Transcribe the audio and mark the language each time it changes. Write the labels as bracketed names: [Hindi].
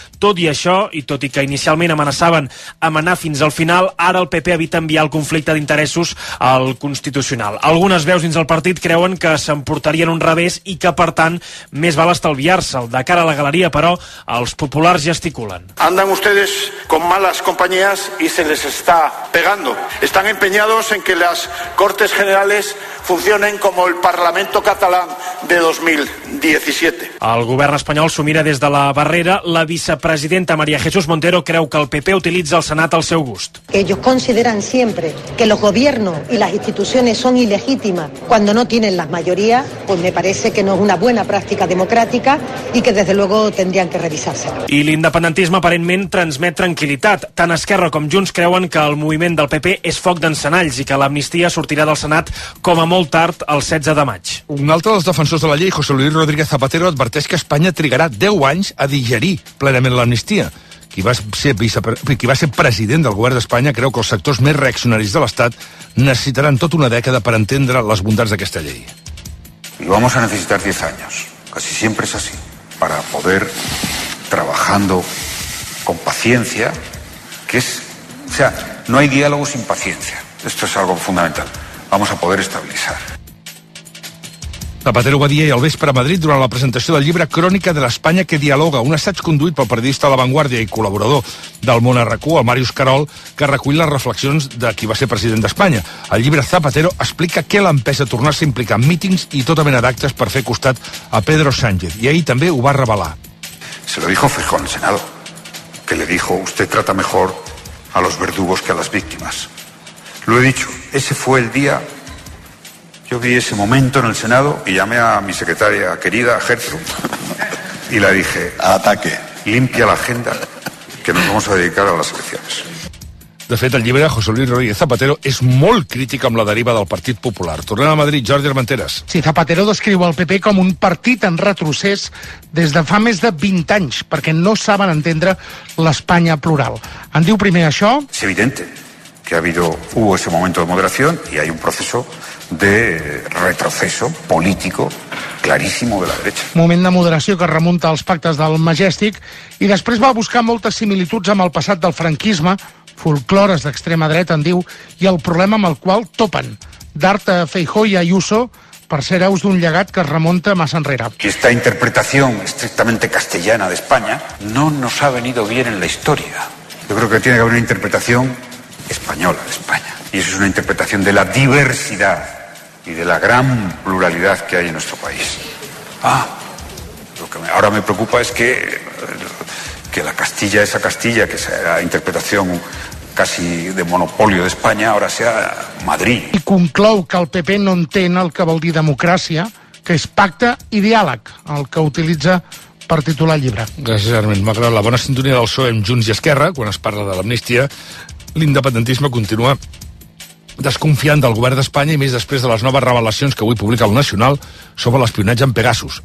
[Catalan] Tot i això, i tot i que inicialment amenaçaven amenar fins al final, ara el PP evita enviar el conflicte d'interessos al Constitucional. Algunes veus dins el partit creuen que s'emportarien un revés i que, per tant, més val estalviar-se'l. De cara a la galeria, però, els populars gesticulen. [Spanish] Andan ustedes con malas compañías y se les está pegando. Están empeñados en que las Cortes Generales funcionen como el Parlamento Catalán de 2017. [Catalan] El govern espanyol s'ho mira des de la barrera. La vicepresidenta María Jesús Montero creu que el PP utilitza el Senat al seu gust. [Spanish] Ellos consideran siempre que los gobiernos y las instituciones son ilegítimas cuando no tienen las mayorías, pues me parece que no es una buena práctica democrática y que desde luego tendrían que revisarse. [Catalan] I l'independentisme aparentment transmet tranquil·litat. Tant Esquerra com Junts creuen que el moviment del PP és foc d'encenalls i que l'amnistia sortirà del Senat com a molt tard el 16 de maig. Un altre dels defensors de la llei, José Luis Rodríguez Zapatero, adverteix que Espanya trigarà 10 anys a digerir plenament l'amnistia. Qui va ser president del govern d'Espanya creu que els sectors més reaccionaris de l'Estat necessitaran tota una dècada per entendre les bondats d'aquesta llei. [Spanish] Y vamos a necesitar 10 años, casi siempre es así, para poder, trabajando con paciencia, que es, o sea, no hay diálogo sin paciencia. Esto es algo fundamental. Vamos a poder estabilizar. [Catalan] Zapatero va dir ahir al vespre a Madrid durant la presentació del llibre Crònica de l'Espanya que dialoga, un assaig conduït pel periodista La Vanguardia i col·laborador del Món Arracú, el Màrius Carol, que recull les reflexions de qui va ser president d'Espanya. El llibre Zapatero explica què l'ha empès a tornar-se a implicar en mítings i tota mena d'actes per fer costat a Pedro Sánchez. I ahir també ho va revelar. [Spanish] Se lo dijo Feijóo al Senado, que le dijo: usted trata mejor a los verdugos que a las víctimas. Lo he dicho, ese fue el día, yo vi ese momento en el Senado y llamé a mi secretaria querida, Gertrude, y la dije, ataque, limpia la agenda, que nos vamos a dedicar a las elecciones. [Catalan] De fet, el llibre de José Luis Rodríguez Zapatero és molt crític amb la deriva del Partit Popular. Tornem a Madrid, Jordi Armenteres. Sí, Zapatero descriu el PP com un partit en retrocés des de fa més de 20 anys, perquè no saben entendre l'Espanya plural. En diu primer això... [Spanish] Es evidente. Que ha habido, hubo ese momento de moderación y hay un proceso de retroceso político clarísimo de la derecha. [Catalan] Moment de moderació que remunta als pactes del Majestic i després va buscar moltes similituds amb el passat del franquisme, folclores d'extrema dreta, en diu, i el problema amb el qual topen. D'Arte, Feijóo i Ayuso, per ser heus d'un llegat que es remunta massa enrere. [Spanish] Esta interpretación estrictamente castellana de España no nos ha venido bien en la historia. Yo creo que tiene que haber una interpretación española de España. Y eso es una interpretación de la diversidad y de la gran pluralidad que hay en nuestro país. Ah, lo que ahora me preocupa es que la Castilla, esa Castilla, que era interpretación casi de monopolio de España, ahora sea Madrid. [Catalan] I conclou que el PP no entén el que vol dir democràcia, que és pacte i diàleg, el que utilitza per titular el llibre. Gràcies, Armin. Malgrat la bona sintonia del PSOE amb Junts i Esquerra, quan es parla de l'amnistia, l'independentisme continua desconfiant del govern d'Espanya i més després de les noves revelacions que avui publica el Nacional sobre l'espionatge en Pegasus.